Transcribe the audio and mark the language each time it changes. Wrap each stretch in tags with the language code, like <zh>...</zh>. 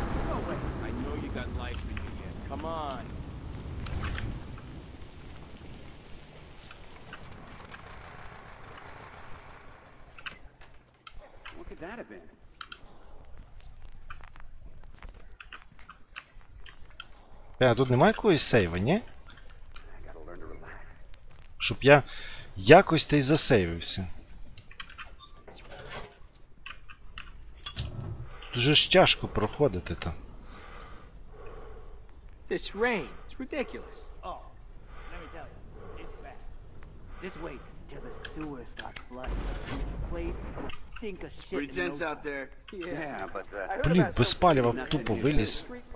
<en>No way. I know you got life in you yet. Come on. What could that have been?</en> <uk>А тут немає якогось сейва, ні? Щоб я якось та й засейвився. Дуже ж тяжко проходити там.</uk> <en>This rain, it's ridiculous. Oh, let me tell you, it's bad. Just wait till the sewer starts flooding. This place will stink of shit. Pretty gents out there. Yeah, but</en> <uk>блін, без палива тупо виліз.</uk>